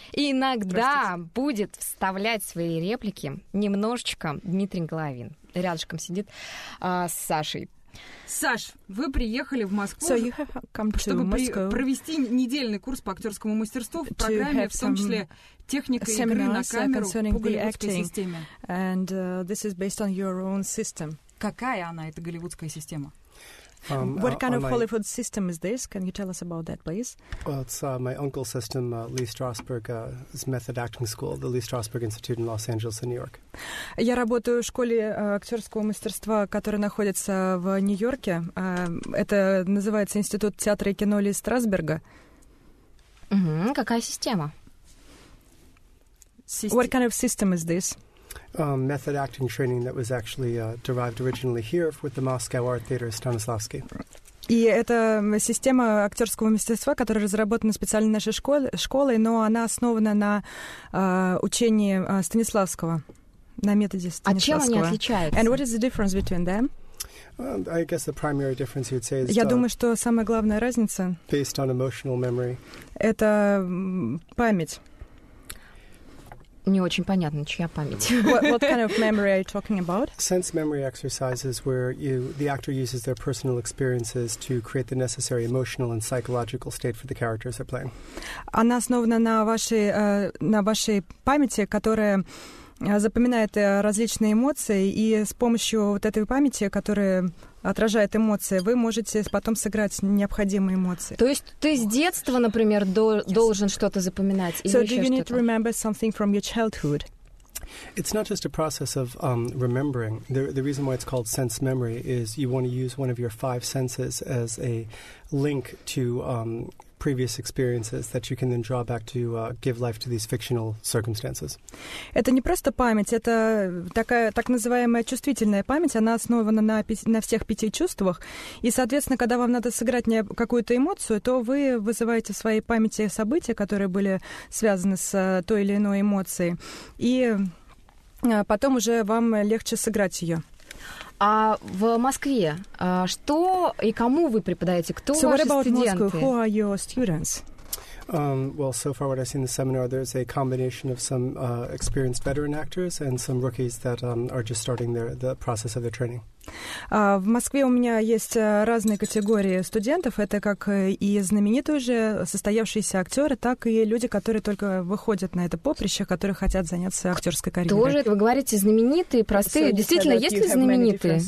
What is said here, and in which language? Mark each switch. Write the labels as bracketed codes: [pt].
[ru] И иногда будет вставлять свои реплики немножечко Дмитрий Головин. Рядышком сидит с Сашей. Саш, вы приехали в Москву, чтобы провести недельный курс по актерскому мастерству в программе, в том числе техника игры на камеру по голливудской системе. [en] And this is based on your own system. [ru] Какая она, эта голливудская система? [en] What kind of Hollywood system is this? Can you tell us about that, please? Well, it's my uncle's system, Lee Strasberg's Method Acting School, the Lee Strasberg Institute in Los Angeles and New York. [ru] Я работаю в школе актерского мастерства, которая находится в Нью-Йорке. Это называется Институт театра и кино Лии Страсберга. Какая система? [en] What kind of system is this? Method acting training that was actually derived originally here with the Moscow Art Theatre Stanislavski. [ru] И это система актерского мастерства, которая разработана специально нашей школой, но она основана на учении Станиславского, на методе Станиславского. А чем они отличаются? [en] And what is the difference between them? I guess the primary difference you'd say is. [ru] Я думаю, что самая главная разница. [en] Based on emotional memory. [ru] Это память. Не очень понятно, чья память. [en] What kind of memory are you talking about? Sense memory exercises where the actor uses their personal experiences to create the necessary emotional and psychological state for the characters they're playing. [ru] Она основана на вашей памяти, которая запоминает различные эмоции, и с помощью вот этой памяти, которая отражает эмоции, вы можете потом сыграть необходимые эмоции. То есть ты с детства, например, должен что-то запоминать? [en] So do you need to remember something from your childhood? It's not just a process of remembering. The reason why it's called sense memory is you want to use one of your five senses as a link to previous experiences that you can then draw back to give life to these fictional circumstances. [ru] Это не просто память, это такая так называемая чувствительная память, она основана на всех пяти чувствах, и, соответственно, когда вам надо сыграть какую-то эмоцию, то вы вызываете в своей памяти события, которые были связаны с той или иной эмоцией, и потом уже вам легче сыграть её. А в Москве что и кому вы преподаете? Кто ваши студенты? [en] So what about Moscow? Who are your students? Well, so far what I've seen in the seminar, there's a combination of some experienced veteran actors and some rookies that are just starting the process of their training. [ru] В Москве у меня есть разные категории студентов. Это как и знаменитые уже состоявшиеся актеры, так и люди, которые только выходят на это поприще, которые хотят заняться актерской карьерой. Тоже вы говорите знаменитые, простые. So действительно, есть ли знаменитые?